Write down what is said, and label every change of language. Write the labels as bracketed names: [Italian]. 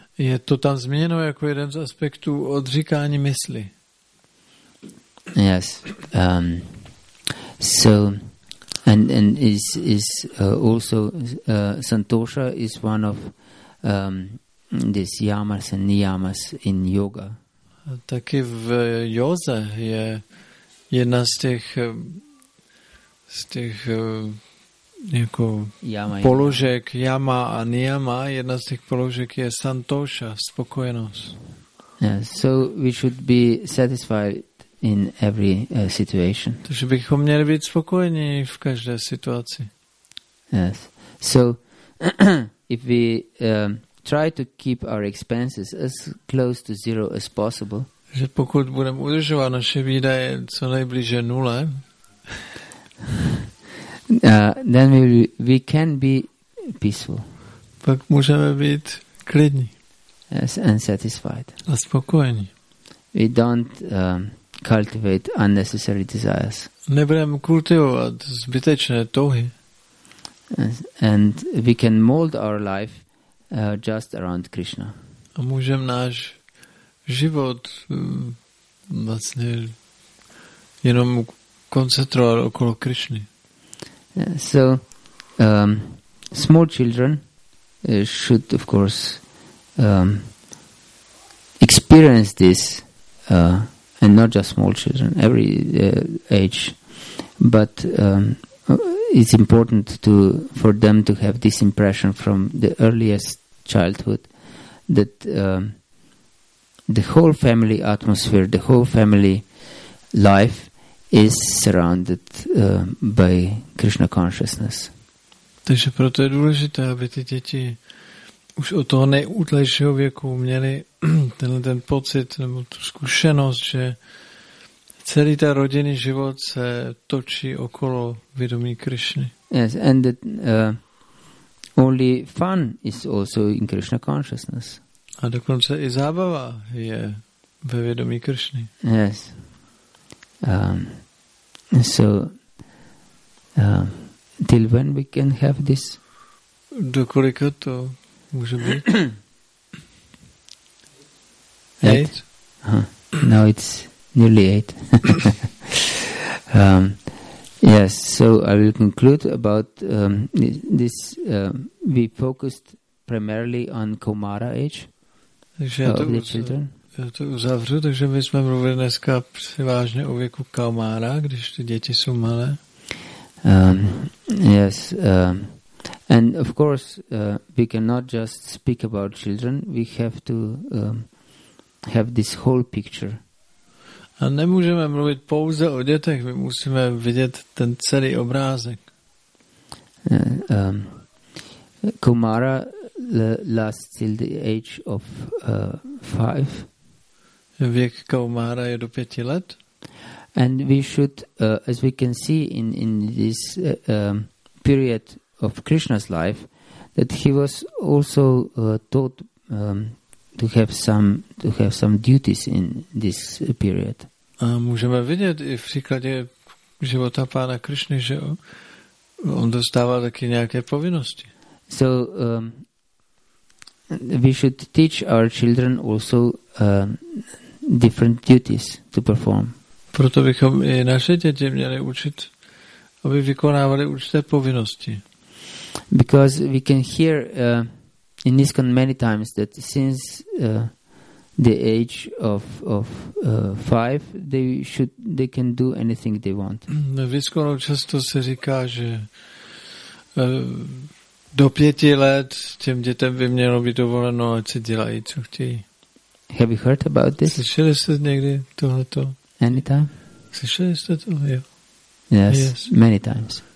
[Czech] Je to tam zmíněno jako jeden z aspektů odříkání mysli. [English] Yes. So and is also santosha is one of this yamas and niyamas in yoga. [Czech] Taky v yoze je jedna z těch jako yama, položek yama a niyama, jedna z těch položek je santosha, spokojenost. [English] Yeah, so we should be satisfied in every situation. [Czech] Takže bychom měli být spokojeni v každé situaci. [English] Yes. So if we try to keep our expenses as close to zero as possible. [Czech] Že pokud budeme udržovat naše výdaje co nejbliže nule, [English] then we can be peaceful. [Czech] Pak můžeme být klidní. [English] Yes, and satisfied. [Czech] A spokojení. [English] We don't cultivate unnecessary desires. [Czech] Nebudeme kultivovat zbytečné touhy. [English] Yes, and we can mold our life just around Krishna. [Czech] A můžeme náš život vlastně jenom koncentrovat okolo Krishny. [English] So small children should of course experience this and not just small children, every age, but it's important to for them to have this impression from the earliest childhood that the whole family atmosphere, the whole family life is surrounded by Krishna consciousness. [Czech] Takže proto je důležité, aby ty děti už od toho nejútlejšího věku měli tenhle ten pocit nebo tu zkušenost, že celý ten rodinný život se točí okolo vědomí Krishny. [English] Yes, and that only fun is also in Krishna consciousness. [Czech] A dokonce i zábava je ve vědomí Krishny. [English] Yes. So till when we can have this? [Czech] Dokolika to může být? [English] Eight? No, it's nearly eight. Yes, so I will conclude about this. We focused primarily on Kaumara age of the children. [Czech] Já to uzavřu, takže my jsme mluvili dneska převážně o věku Kaumara, když ty děti jsou malé. [English] Yes, and of course we cannot just speak about children. We have to have this whole picture. [Czech] A nemůžeme mluvit pouze o dětech, my musíme vidět ten celý obrázek. [English] Kumara lasts till the age of 5. [Czech] Věk Kumara je do 5 let. [English] And we should, as we can see in this period of Krishna's life, that he was also taught to have some duties in this period. [Czech] A můžeme vidět i v příkladě života pána Krišny, že on dostává taky nějaké povinnosti. [English] So we should teach our children also different duties to perform. [Czech] Proto bychom i naše děti měli učit, aby vykonávali určité povinnosti. [English] Because we can hear in ISKCON many times that since the age of five, they can do anything they want. [Czech] V ISKCONu často se říká, že do pěti let těm dětem by mělo být dovoleno, ať si dělají, co chtějí. [English] Have you heard about this? [Czech] Slyšeli jste někdy tohleto? [English] Anytime? [Czech] Slyšeli jste to? Jo. [English] Yes, many times.